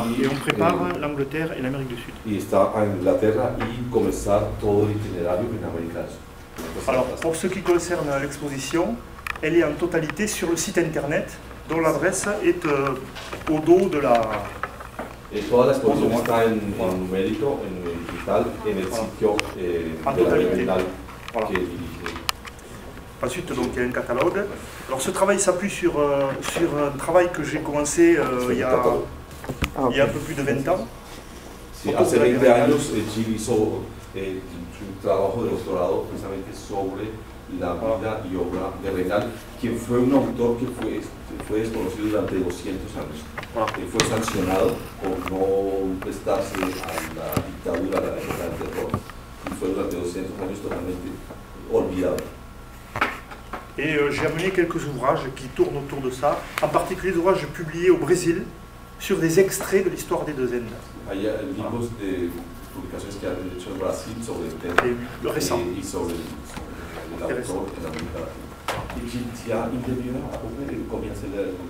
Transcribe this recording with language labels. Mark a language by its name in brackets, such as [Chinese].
[French] Et on prépare l'Angleterre et l'Amérique du Sud. [Spanish] Y está Inglaterra y comenzar todo el itinerario en América. [French] Alors, pour ce qui concerne l'exposition, elle est en totalité sur le site internet, dont l'adresse est au dos de la. Et toute l'exposition est en numérique, en digital, en le site de la Reynald, voilà. Qui est dirigé. Ensuite, donc, il y a un catalogue. Alors, ce travail s'appuie sur un travail que j'ai commencé il y a un peu plus de 20 ans. [Spanish] Si, hace 20 años, Jill hizo su trabajo de doctorado precisamente sobre la vida y obra de Reynald, quien fue un autor que fue desconocido durante 200 años. Y fue sancionado por no prestarse a la dictadura de la época del terror. Y fue durante 200 años totalmente olvidado. [French] Et j'ai amené quelques ouvrages qui tournent autour de ça, en particulier des ouvrages publiés au Brésil sur des extraits de l'histoire des deux Indes. Il y a un livre de publications qui a été fait au Brésil sur le thème. Et le récent. Et sur l'auteur de l'Amérique latine. Il y a une demi-heure à peu près, combien c'est l'heure?